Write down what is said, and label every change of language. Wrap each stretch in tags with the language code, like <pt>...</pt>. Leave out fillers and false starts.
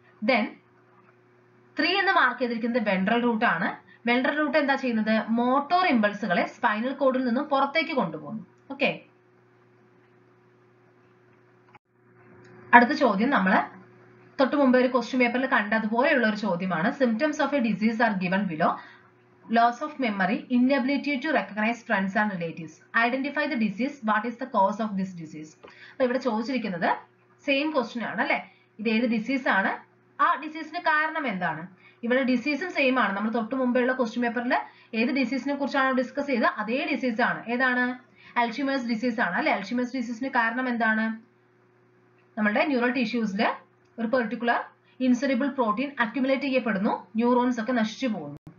<ml>Then 3 എന്ന് mark ചെയ്തിരിക്കുന്നത് ventral root ആണ്. വെൻട്രൽ റൂട്ട് എന്താ ചെയ്യുന്നത്? മോട്ടോർ ഇമ്പൾസുകളെ സ്പൈനൽ കോഡിൽ നിന്നും പുറത്തേക്ക് കൊണ്ടുപോകുന്നു. ഓക്കെ, അടുത്ത ചോദ്യം നമ്മൾ തൊട്ട് മുമ്പേ ഒരു ക്വസ്റ്റ്യൻ പേപ്പറിൽ കണ്ടതുപോലെയുള്ള ഒരു ചോദ്യമാണ്.</ml> <en>Symptoms of a disease are given below. Loss of memory, inability to recognize friends and relatives. Identify the disease. What is the cause of this disease?</en> <ml>Now, ഇവിടെ ചോദിച്ചിരിക്കുന്നത് സെയിം ക്വസ്റ്റ്യൻ ആണ് അല്ലെ. ഇത് ഏത് ഡിസീസ് ആണ്, ആ ഡിസീസിന് കാരണം എന്താണ്? ഇവിടെ ഡിസീസും സെയിം ആണ്. നമ്മൾ തൊട്ട് മുമ്പുള്ള ക്വസ്റ്റ്യൻ പേപ്പറിൽ ഏത് ഡിസീസിനെ കുറിച്ചാണോ ഡിസ്കസ് ചെയ്തത് അതേ ഡിസീസ് ആണ്. ഏതാണ്? അൽഷിമേഴ്സ് ഡിസീസ് ആണ് അല്ലെ. അൽഷിമേഴ്സ് ഡിസീസിന് കാരണം എന്താണ്? നമ്മളുടെ ന്യൂറൽ ടിഷ്യൂസില് ഒരു പെർട്ടിക്കുലർ ഇൻസറിബിൾ പ്രോട്ടീൻ അക്യുമുലേറ്റ് ചെയ്യപ്പെടുന്നു, ന്യൂറോൺസ് ഒക്കെ നശിച്ചു പോകുന്നു.</ml>